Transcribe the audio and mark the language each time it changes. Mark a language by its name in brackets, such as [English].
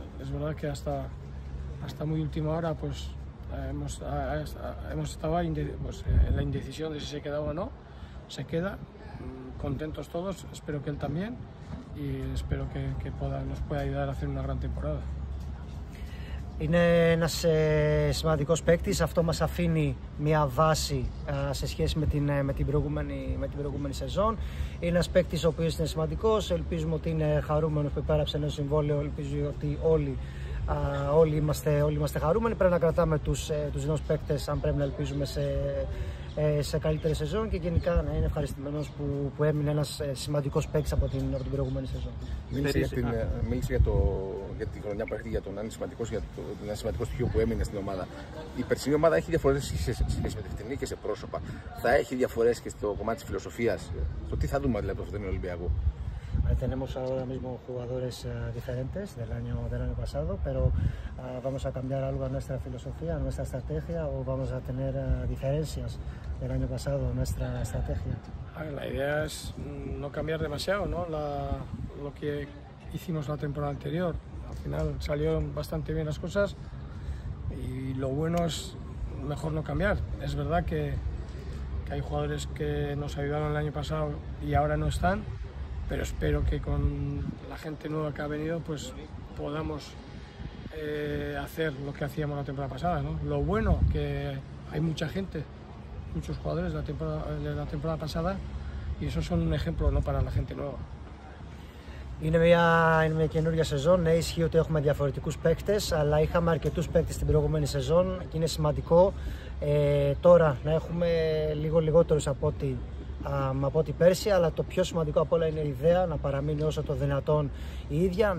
[Spanish] Es verdad que hasta muy última hora pues hemos estado en la indecisión de si se queda o no. Se queda, contentos todos, espero que él también y espero que nos pueda ayudar a hacer una gran temporada. [Greek] Είναι ένας σημαντικός παίκτης. Αυτό μας αφήνει μια βάση σε σχέση με την προηγούμενη σεζόν. Είναι ένας παίκτης ο οποίος είναι σημαντικός. Ελπίζουμε ότι είναι χαρούμενος που υπέγραψε ένα συμβόλαιο. Ελπίζω ότι όλοι είμαστε χαρούμενοι. Πρέπει να κρατάμε τους νέους παίκτες αν πρέπει να ελπίζουμε σε καλύτερη σεζόν. Και γενικά να είναι ευχαριστημένος που έμεινε ένας σημαντικός παίκτης από την προηγούμενη σεζόν. Μίλησε για τη χρονιά που έρχεται, για τον Άννη, σημαντικός, για το ένα σημαντικό στοιχείο που έμεινε στην ομάδα. Η περσινή ομάδα έχει διαφορές σε σχέση με τη φετινή και σε πρόσωπα. Θα έχει διαφορές και στο κομμάτι της φιλοσοφίας. Το τι θα δούμε δηλαδή από το φετινό Ολυμπιακό. [Spanish] Tenemos ahora mismo jugadores diferentes del año pasado, pero vamos a cambiar algo a nuestra filosofía, a nuestra estrategia, o vamos a tener diferencias del año pasado, nuestra estrategia. La idea es no cambiar demasiado, ¿no? Lo que hicimos la temporada anterior. Al final salieron bastante bien las cosas y lo bueno es mejor no cambiar. Es verdad que hay jugadores que nos ayudaron el año pasado y ahora no están. Pero espero que con la gente nueva que ha venido pues podamos hacer lo que hacíamos la temporada pasada, ¿no? Lo bueno que hay mucha gente, muchos jugadores de la temporada pasada y eso son un ejemplo, ¿no?, para la gente nueva. [Greek] Είναι μια καινούργια σεζόν. Ναι, ισχύει ότι έχουμε διαφορετικούς παίκτες, αλλά είχαμε αρκετούς παίκτες στην προηγούμενη σεζόν και είναι σημαντικό τώρα να έχουμε λίγο λιγότερους από ό,τι πέρσι, αλλά το πιο σημαντικό απ' όλα είναι η ιδέα να παραμείνει όσο το δυνατόν η ίδια.